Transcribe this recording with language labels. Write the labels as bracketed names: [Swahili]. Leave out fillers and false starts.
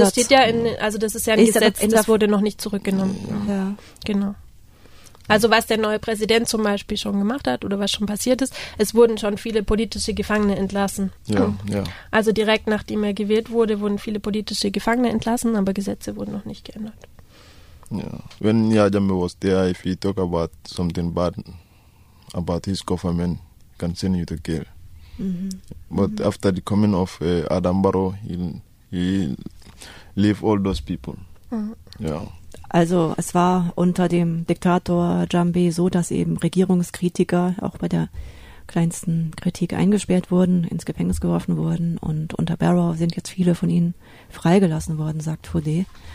[German] Das steht ja in, also das ist ja ein Gesetz, das wurde noch nicht zurückgenommen. Ja. Genau. Also was der neue Präsident zum Beispiel schon gemacht hat oder was schon passiert ist, es wurden schon viele politische Gefangene entlassen. Ja, ja. Also direkt nachdem er gewählt wurde, wurden viele politische Gefangene entlassen, aber Gesetze wurden noch nicht geändert. Ja, wenn [English] Yajambe was there, if he talk about something bad about his government, he can send you to jail. Mm-hmm. But mm-hmm. after the coming of Adam Barrow, he leave all those people. Mm-hmm. Yeah. [German] Also es war unter dem Diktator Jambe so, dass eben Regierungskritiker auch bei der kleinsten Kritik eingesperrt wurden, ins Gefängnis geworfen wurden, und unter Barrow sind jetzt viele von ihnen freigelassen worden, sagt Fodé.